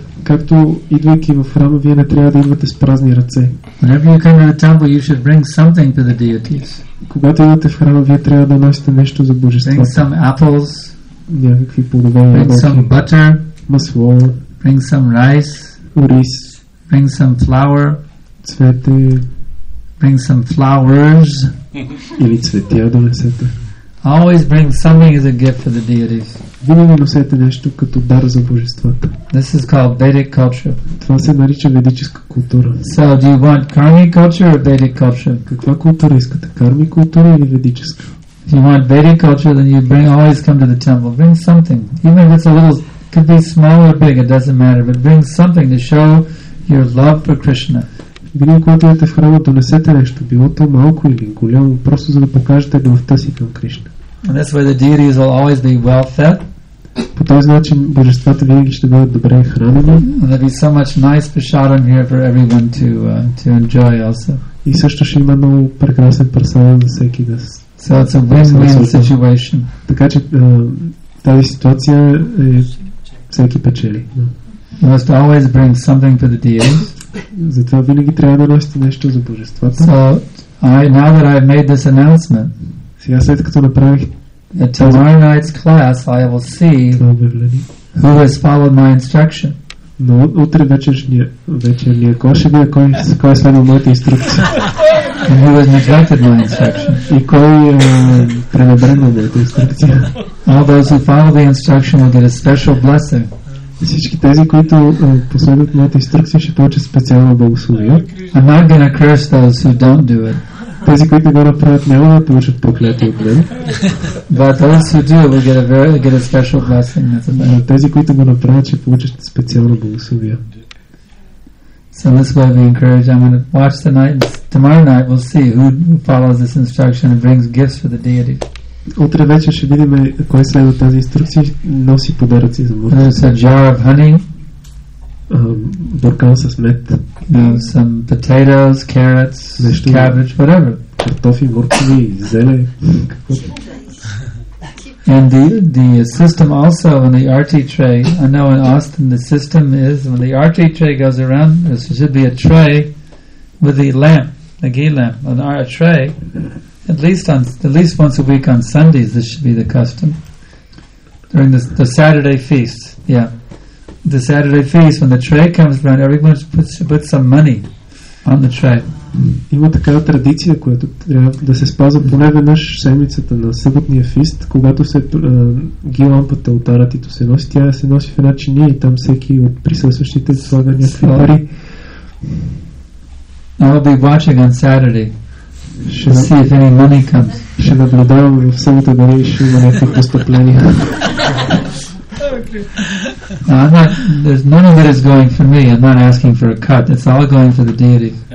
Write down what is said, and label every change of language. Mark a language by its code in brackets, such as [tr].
[bg] Както идвайки в храма, вие не трябва да идвате с празни ръце. [en] Whenever you come to the temple, you should bring something to the deities. [bg] Когато идвате в храма, вие трябва да носите нещо за божествата. [en] Bring some apples. [bg] Някакви плодове. [en] Bring some butter. [bg] Масло. [en] Bring some rice. [bg] Рис. [en] Bring some flour. [bg] Цвете. [en] Bring some flowers. [bg] Или цветя донесете. [en] Always bring something as a gift for the deities. [bg] Винаги носете нещо като дар за божествата. [en] This is called Vedic culture. [bg] Това се нарича ведическа култура. [en] So do you want karmic culture or Vedic culture? [bg] Каква култура искате? Карми култура или ведическа? [en] If you want Vedic culture, then you bring always come to the temple. Bring something. Even if it's a little, could be small or big, it doesn't matter. But bring something to show your love for Krishna. [bg] Винаги, когато идете в храма, донесете нещо, било то малко или голямо, просто за да покажете любовта си към Кришна. [en] And that's why the deities will always be well fed. [bg] По този начин божествата винаги ще бъдат добре хранени. [en] And there'll be so much nice prasadam here for everyone to enjoy also. [bg] И също ще има много прекрасен прасадам за всеки да. [en] So it's a win-win situation. [bg] Така че тази ситуация е всеки печели. [en] You must always bring something to the deities. [bg] Затова винаги трябва да носите нещо за божествата. [en] So, Now that I've made this announcement, [bg] сега след като направих [en] at tomorrow night's class, I will see who has followed my instruction. [bg] Но утре вечерния клас ще бъде кой е следвал моята инструкция. [en] And who has neglected my instruction. [bg] И кой пренебрегна моята инструкция. [en] All those who follow the instruction will get a special blessing. [bg] Всички тези, които последват моята инструкция, ще получат специално благословие. [en] I'm not going to curse those who don't do it. [bg] Тези, които го направят, няма да получат проклятие от мен. [en] But those who do it will get a special blessing. [bg] Но тези, които го направят, ще получат специално благословие. [en] So this way we encourage, I'm going to watch tonight, tomorrow night we'll see who follows this instruction and brings gifts for the deity. [bg] Утре вечер ще видим кой следва тази инструкция и носи подаръци за Бурка. [en] There's a jar of honey. [bg] Буркан с мед. [en] Some potatoes, carrots, [bg] нещо, [en] cabbage, whatever. [bg] Картофи, буркани, зеле. [en] And the system also in the RT tray, I know in Austin the system is when the RT tray goes around, there should be a tray with the lamp, the ghee lamp, a tray. At least once a week on Sundays this should be the custom. During the Saturday feast. Yeah. The Saturday feast, when the tray comes around, everyone should put some money on the tray. [bg] Има такава традиция, която трябва да се спазва поне веднъж седмицата на съботния фист, когато се ги лампата от аратито се носи, тя се носи в една чиния и там всеки от присъстващите слага някакви пари. [en] I'll be watching on Saturday. See if any money comes. [bg] Ще наблюдавам в събота дали ще има някакви постъпления. [en] No, I'm not, there's none of it is going for me. I'm not asking for a cut. It's all going for the deity.